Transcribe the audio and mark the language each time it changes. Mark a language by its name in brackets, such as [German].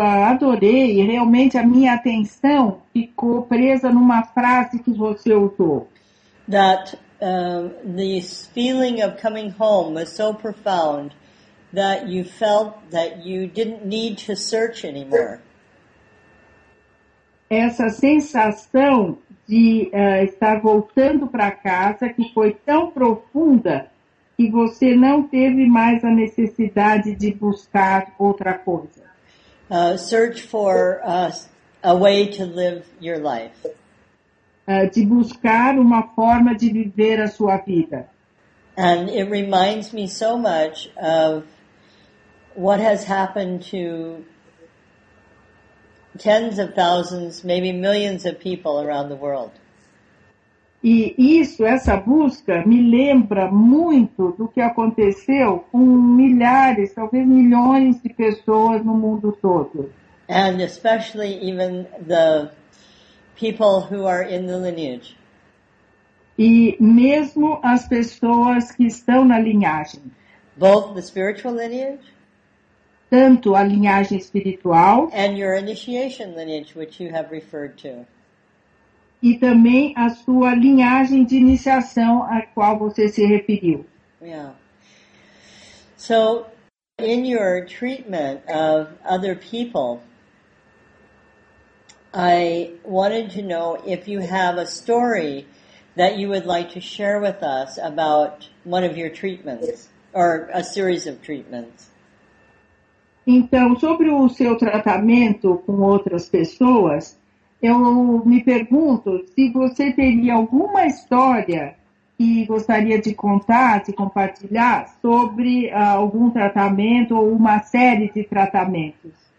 [Portuguese] Adorei, realmente a minha atenção ficou presa numa frase que você usou. [English] That this feeling of coming home was so profound that you felt that you didn't need to search anymore. [Portuguese] Essa sensação de estar voltando para casa que foi tão profunda que você não teve mais a necessidade de buscar outra coisa. [English] Search for a way to live your life. [Portuguese] De buscar uma forma de viver a sua vida. [English] And it reminds me so much of what has happened to tens of thousands, maybe millions of people around the world. [Portuguese] E isso, essa busca, me lembra muito do que aconteceu com milhares, talvez milhões de pessoas no mundo todo. [English] And especially even the people who are in the lineage. [Portuguese] E mesmo as pessoas que estão na linhagem. [English] Both the spiritual lineage. [Portuguese] Tanto a linhagem espiritual. [English] And your initiation lineage, which you have referred to. [Portuguese] E também a sua linhagem de iniciação a qual você se referiu. [English] Yeah. So, in your treatment of other people, I wanted to know if you have a story that you would like to share with us about one of your treatments, or a series of treatments. [Portuguese] Então, sobre o seu tratamento com outras pessoas, eu me pergunto se você teria alguma história que gostaria de contar, de compartilhar sobre algum tratamento ou uma série de tratamentos.